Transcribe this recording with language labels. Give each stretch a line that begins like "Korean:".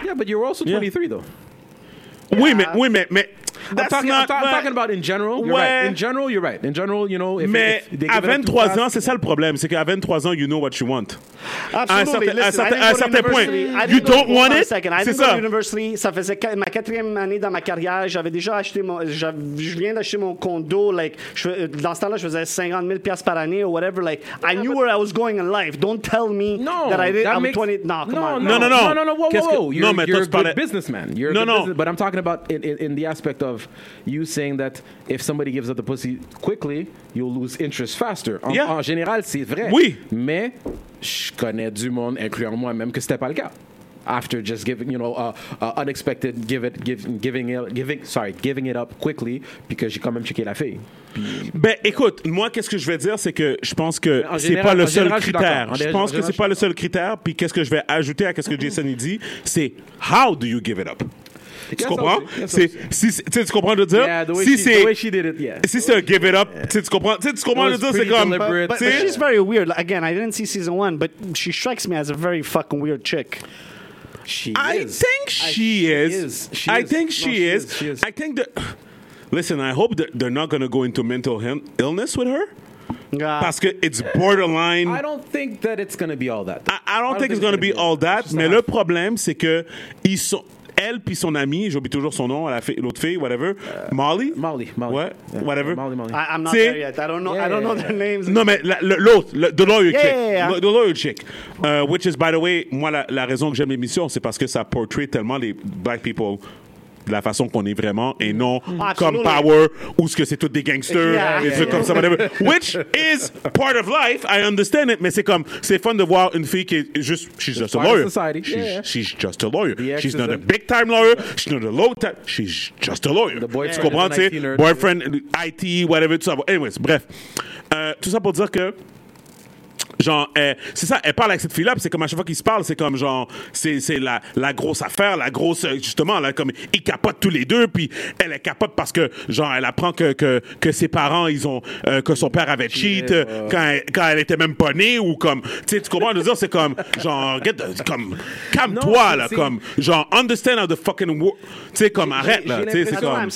English: Yeah, but you're also 23, though. Women. I'm talking about in general. You're right. In general, you know, if
French: à 23 ans, c'est ça le problème. C'est qu'à 23 ans,
English: you know what you want. Absolutely.
French: À un certain point,
English: you don't want it. Go to university.
French: Ça faisait ma quatrième année dans ma carrière. J'avais déjà acheté mon. Je viens d'acheter mon condo. Like, dans ce temps-là, je faisais 50 000 piastres par année or whatever.
English: Like, I knew where I was going in life. Don't tell me that I didn't. I'm 20. No, you're a good businessman. But I'm talking about in the aspect of you saying that if somebody gives up the pussy quickly, you'll lose interest faster.
French: En général, c'est vrai. Oui. Mais je connais du monde, incluant moi-même, que c'était pas le cas.
English: After just giving, you know, unexpected giving it up quickly because
French: j'ai quand même checké la fille. Ben écoute, moi, qu'est-ce que je vais dire, c'est que je pense que c'est pas le seul critère. Puis qu'est-ce que je vais ajouter à ce que Jason dit, c'est
English: how do you give it up?
French: Tu comprends? Tu comprends de dire? Si c'est un
English: give it up,
French: tu comprends? Tu comprends de dire? C'est comme.
English: But she's very weird. Again, I didn't see season one, but she strikes me as a very fucking weird chick. I think she is. I think that. Listen, I hope that they're not going to go into mental illness with her.
French: Parce que
English: it's borderline. I don't think that it's going to be all that. I don't think it's going to be all that.
French: Mais le problème, c'est que ils sont, elle puis son amie, j'oublie toujours son nom, l'autre fille, whatever. Molly? Molly.
English: What? Yeah. Whatever. Molly. I'm not there yet. I don't know their names.
French: Non, mais l'autre,
English: the lawyer chick. The lawyer chick. Which is, by the way,
French: moi, la raison que j'aime l'émission, c'est parce que ça portrait tellement les black people de la façon qu'on est vraiment et non comme power ou ce que c'est tout des gangsters comme ça whatever.
English: Which is part of life, I understand it,
French: mais c'est comme c'est fun de voir une fille qui est juste
English: she's just a lawyer. She's not a big time lawyer, she's not a low time, she's just a lawyer.
French: Tu comprends, c'est boyfriend IT whatever tout ça. Anyways, bref, tout ça pour dire que genre, c'est ça, elle parle avec cette fille-là, c'est comme à chaque fois qu'ils se parlent, c'est comme genre, c'est la grosse affaire, la grosse, justement, là, comme, ils capotent tous les deux, puis elle est capote parce que, genre, elle apprend que ses parents, ils ont, que son père avait cheat quand elle était même pas née, ou comme, tu sais, tu comprends, je veux dire, c'est comme, genre, calme-toi, là, comme, genre,
English: understand how the fucking world,
French: tu sais, comme, arrête, là, tu sais, c'est comme.